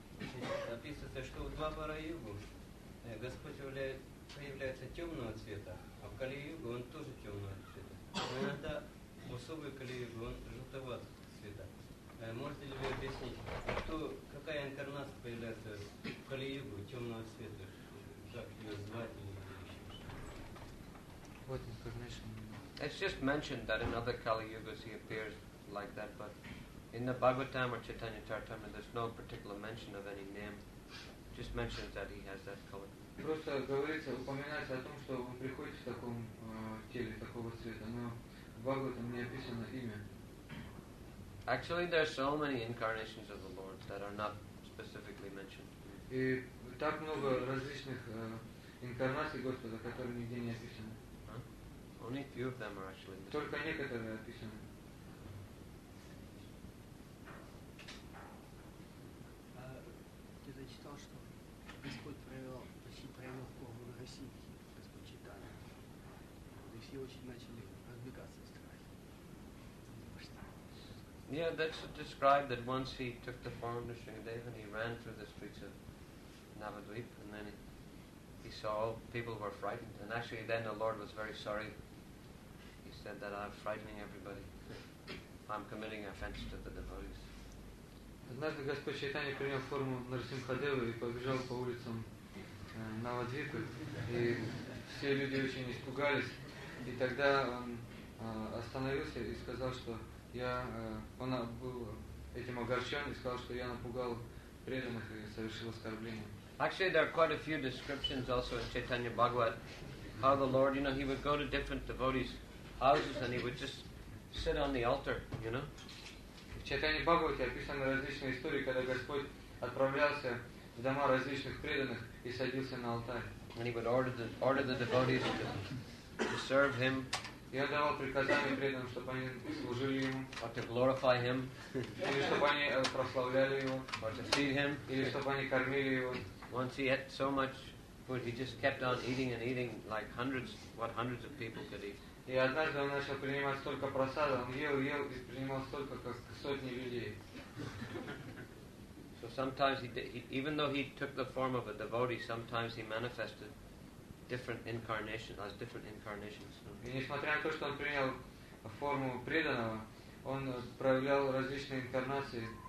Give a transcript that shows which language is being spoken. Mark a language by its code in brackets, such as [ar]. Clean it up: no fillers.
[ru] Здесь описывается, что в два пара югу Господь появляется темного цвета, а в кали-югу он тоже темного цвета. Но иногда в особой кали-югу он желтоватого цвета. Можете ли вы объяснить, что, какая инкарнация появляется в кали-югу темного цвета? Как ее звать или еще что-то? [en] It's just mentioned that in other kali-yugas he appears like that, but in the Bhagavatam or Chaitanya Charitamrita there's no particular mention of any name. Just mentions that he has that color. [ru] Просто говорится, упоминается о том, что он приходит в таком теле такого цвета, но в Бхагаватам не описано имя. [en] Actually, there are so many incarnations of the Lord that are not specifically mentioned. [ru] И так много различных инкарнаций Господа, которые нигде не описаны. [en] Only a few of them are actually mentioned. [ru] Только некоторые описаны. Читал, что Господь проявил форму на России, Господь Читания. И все очень начали разбегаться в страхе. [en] Yeah, that's described that once he took the form of Shringadeva and he ran through the streets of Navadvip and then he saw people were frightened. And actually then the Lord was very sorry. He said that I'm frightening everybody. I'm committing offense to the devotees. [ru] Однажды Господь Чайтанья принял форму Нарсимхадевы и побежал по улицам Навадвипы. И все люди очень испугались. И тогда он остановился и сказал, что я... Он был этим огорчен и сказал, что я напугал преданных и совершил оскорбление. [en] Actually, there are quite a few descriptions also in Chaitanya Bhagavat. How the Lord, you know, he would go to different devotees' houses and he would just sit on the altar, you know. [ru] В Чайтанье Бхагавате описаны различные истории, когда Господь отправлялся в дома различных преданных и садился на алтарь. [en] And he would order the devotees to serve him. [ru] И он давал приказания преданным, чтобы они служили ему. [en] Or to glorify him. [ru] Или чтобы они прославляли его. [en] Or to feed him. [ru] Или чтобы они кормили его. [en] Once he ate so much food, he just kept on eating and eating like hundreds, what hundreds of people could eat. [ru] И однажды он начал принимать столько просада, он ел и принимал столько, как сотни людей. [en] So sometimes even though he took the form of a devotee, sometimes he manifested different incarnations as different incarnations. [ru] И несмотря на то, что он принял форму преданного, он проявлял различные инкарнации.